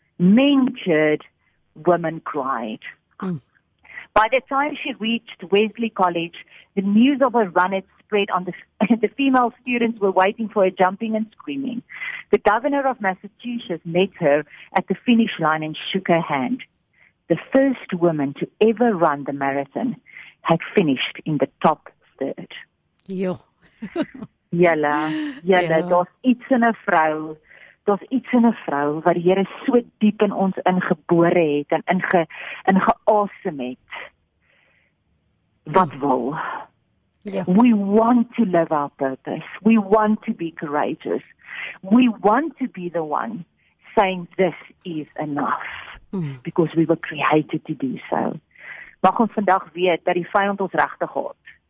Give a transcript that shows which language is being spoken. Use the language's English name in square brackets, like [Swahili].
[English] Men cheered, women cried. By the time she reached Wesley College, the news of her run had spread on the female students were waiting for her jumping and screaming. The governor of Massachusetts met her at the finish line and shook her hand. The first woman to ever run the marathon had finished in the top third. Jo. [Afrikaans] Jalla, jalla, daar's iets in 'n vrou. Daar's iets in 'n vrou wat die Here so diep in ons ingebore het en ingeasem het. Wat wil? Yeah. [English] We want to live our purpose. We want to be courageous. We want to be the one saying this is enough. Because we were created to do so. [Afrikaans] Mag ons vandag weet dat die vyand ons regtig haat.